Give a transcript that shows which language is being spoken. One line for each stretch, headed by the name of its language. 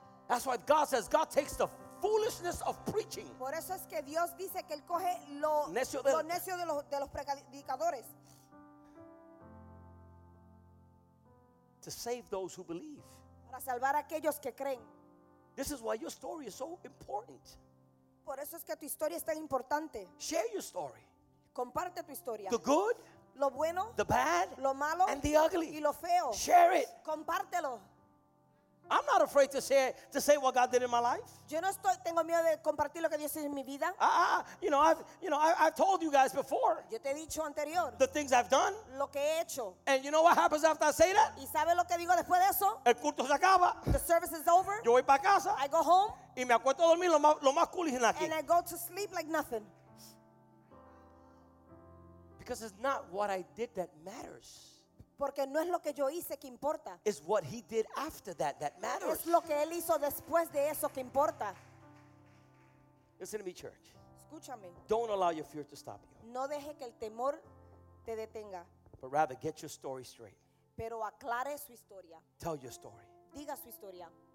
English: That's why God says God takes the foolishness of preaching.
Spanish: Por eso es que Dios dice que él coge lo necio de, lo necio de los predicadores.
English: To save those who believe.
Spanish: Para salvar a aquellos que creen.
English: This is why your story is so important.
Spanish: Por eso es que tu historia es tan importante.
English: Share your story.
Spanish: Comparte tu historia.
English: The good.
Spanish: Lo bueno,
English: the bad,
Spanish: lo malo,
English: and the ugly.
Spanish: Y lo feo.
English: Share it.
Spanish: Compártelo.
English: I'm not afraid to say what God did in my life.
Spanish: Yo no estoy tengo miedo de compartir lo que Dios hizo en mi vida.
English: I've told you guys before.
Spanish: Yo te he dicho anterior.
English: The things I've done.
Spanish: Lo que he hecho.
English: And you know what happens after I say that?
Spanish: ¿Y sabes lo que digo después de eso? El culto se acaba.
English: The service is over.
Spanish: Yo voy para casa.
English: I go home.
Spanish: Y me acuesto a dormir lo más cool en aquí.
English: And I go to sleep like nothing. Because it's not what I did that matters.
Spanish: Porque no es lo que yo hice que importa.
English: It's what he did after that that matters.
Spanish: Es lo que él hizo después de eso que importa.
English: Listen to me, church.
Spanish: Escúchame.
English: Don't allow your fear to stop you.
Spanish: No deje que el temor te detenga.
English: But rather, get your story straight.
Spanish: Pero aclare su historia.
English: Tell your story.
Spanish: Diga su historia.